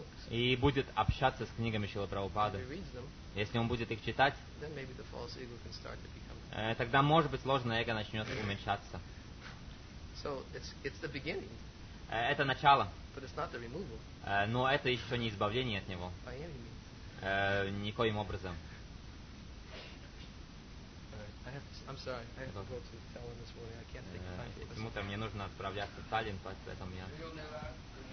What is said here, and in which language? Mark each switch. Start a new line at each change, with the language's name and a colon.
Russian: И будет общаться с книгами Шрилы Прабхупады. Если он будет их читать,
English: then maybe the false ego can start to become...
Russian: тогда, может быть, ложное эго начнет уменьшаться.
English: So it's the beginning.
Russian: Это начало.
English: But it's not the removal.
Russian: Но это еще не избавление от него.
English: By any means.
Russian: Никоим образом.
English: I'm sorry. I have to go to Tallinn this morning. I can't take time.
Russian: Утром мне нужно отправляться в Таллин, поэтому я.